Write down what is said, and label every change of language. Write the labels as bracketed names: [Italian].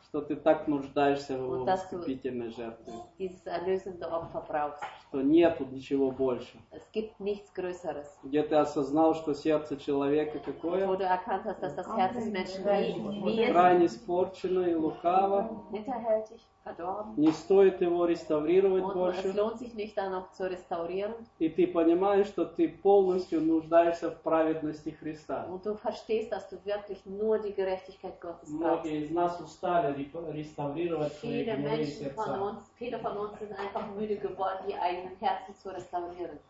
[Russian] Что ты так нуждаешься в его искупительной жертве. [German] Dieses erlösende Opfer brauchst. [Russian] Что нету ничего больше. [German] Es gibt nichts Größeres. [Russian] Где ты осознал, что сердце человека какое? [German] Wo du erkannt hast, dass das Herz des Menschen wie [Russian] крайне испорчено и лукаво. [German] Hinterhältig, verdorben. [Russian] Не стоит его реставрировать больше. [German] Es lohnt sich nicht, da noch zu restaurieren. [Russian] И ты понимаешь, что ты полностью нуждаешься в праведности Христа. [German] Und du verstehst, dass du wirklich nur die Gerechtigkeit Gottes braucht. [Russian] Многие из нас устали реставрировать свои сердца. [German] Viele von uns sind einfach müde geworden, ihr eigenes Herz zu restaurieren.